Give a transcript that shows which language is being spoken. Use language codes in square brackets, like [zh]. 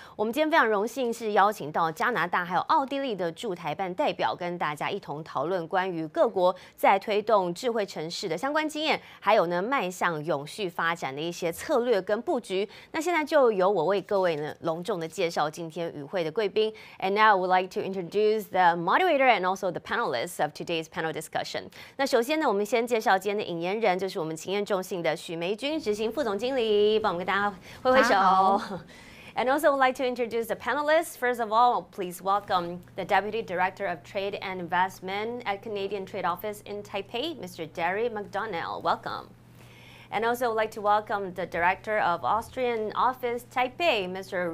[zh] 我们今天非常荣幸是邀请到加拿大还有奥地利的驻台办代表，跟大家一同讨论关于各国在推动智慧城市的相关经验，还有呢迈向永续发展的一些策略跟布局。那现在就由我为各位呢隆重的介绍今天与会的贵宾。 [en] And now I would like to introduce the moderator and also the panelists of today's panel discussion. [zh] 那首先呢，我们先介绍今天的引言人，就是我们勤业中心的许梅君执行副总经理，帮我们跟大家挥挥手。 [en] And also would like to introduce the panelists. First of all, please welcome the Deputy Director of Trade and Investment at Canadian Trade Office in Taipei, Mr. Derry McDonnell. Welcome. And also would like to welcome the Director of Austrian Office Taipei, Mr.